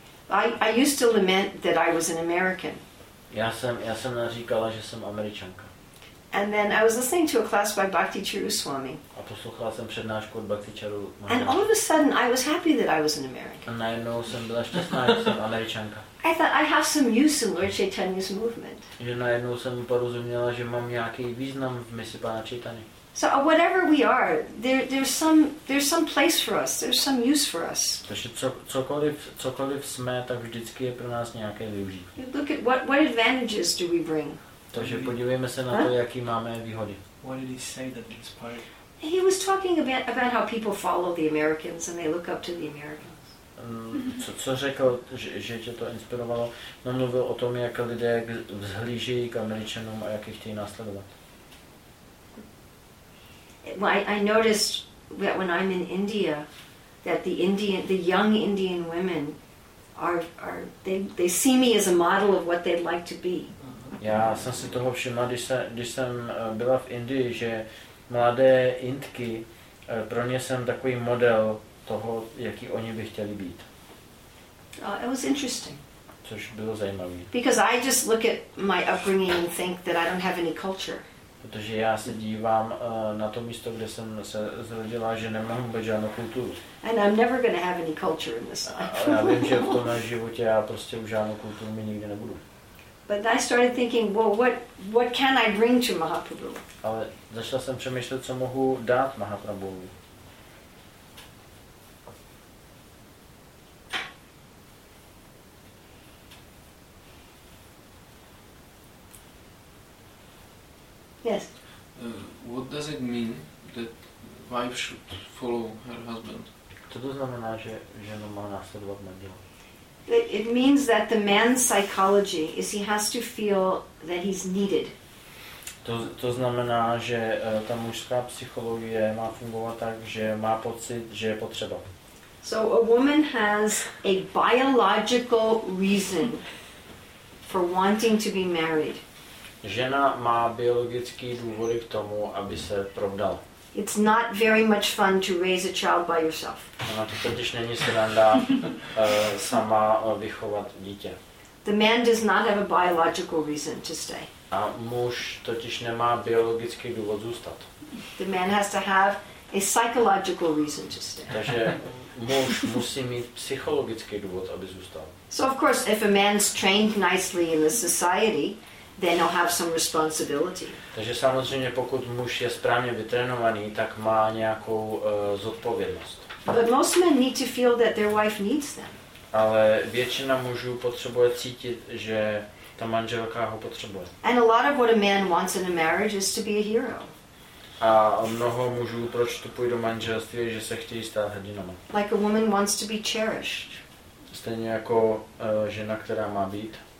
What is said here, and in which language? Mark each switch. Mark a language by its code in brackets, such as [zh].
[en] I used to lament that I was an American. [cs] Já jsem naříkala, že jsem Američanka. [en] And then I was listening to a class by Bhakti Charuswami. [cs] A poslouchala jsem přednášku od Bhakti Charu. [en] And all of a sudden I was happy that I was an American. [cs] A najednou jsem byla šťastná, že jsem Američanka. [en] I thought I have some use in Lord Chaitanya's movement. [cs] Že najednou jsem porozuměla, že mám nějaký význam v misi pana Chaitany. [en] So whatever we are, there's some place for us. There's some use for us. [cs] Takže cokoliv jsme, tak vždycky je pro nás nějaké využití. [en] Look at what advantages do we bring? [cs] Takže podívejme se na to, jaký máme výhody. [en] What did he say that inspired? He was talking about how people follow the Americans and they look up to the Americans. [cs] Co řekl, že tě to inspirovalo? No, mluvil o tom, jak lidé vzhlíží k Američanům a jak je chtějí následovat. [en] I noticed that when I'm in India, that the young Indian women are they see me as a model of what they'd like to be. [cs] Já jsem si toho všimla, když jsem byla v Indii, že mladé Indky, pro ně jsem takový model toho, jaký oni by chtěli být. [en] It was interesting. [cs] Což bylo zajímavé. [en] Because I just look at my upbringing and think that I don't have any culture. [cs] Protože já se dívám na to místo, kde jsem se zrodila, že nemám vůbec žádnou kulturu. [en] And I'm never going to have any culture in this life. [cs] Já vím, že v tomhle životě já prostě už žádnou kulturu mi nikdy nebudu. [en] But I started thinking, well, what can I bring to Mahaprabhu? [cs] Ale začal jsem přemýšlet, co mohu dát Mahaprabhu. [en] Yes. What does it mean that wife should follow her husband? [cs] Co to znamená, že žena má následovat manžela? [en] It means that the man's psychology is he has to feel that he's needed. [cs] To znamená, že ta mužská psychologie má fungovat tak, že má pocit, že je potřeba. [en] So a woman has a biological reason for wanting to be married. [cs] Žena má biologický důvody k tomu, aby se provdala. [en] It's not very much fun to raise a child by yourself. [cs] Ona to totiž není sranda sama vychovat dítě. [en] The man does not have a biological reason to stay. [cs] A muž totiž nemá biologický důvod zůstat. [en] The man has to have a psychological reason to stay. [cs] Takže muž musí mít psychologický důvod, aby zůstal. [en] So of course, if a man's trained nicely in the society, then he'll have some responsibility. [cs] Takže samozřejmě, pokud muž je správně vytrénovaný, tak má nějakou zodpovědnost. [en] But most men need to feel that their wife needs them. [cs] Ale většina mužů potřebuje cítit, že ta manželka ho potřebuje. [en] And a lot of what a man wants in a marriage is to be a hero. [cs] A mnoho mužů, proč vstupují do manželství, že se chtějí stát hrdinama. [en] Like a woman wants to be cherished. [cs] Stejně jako žena, která má být.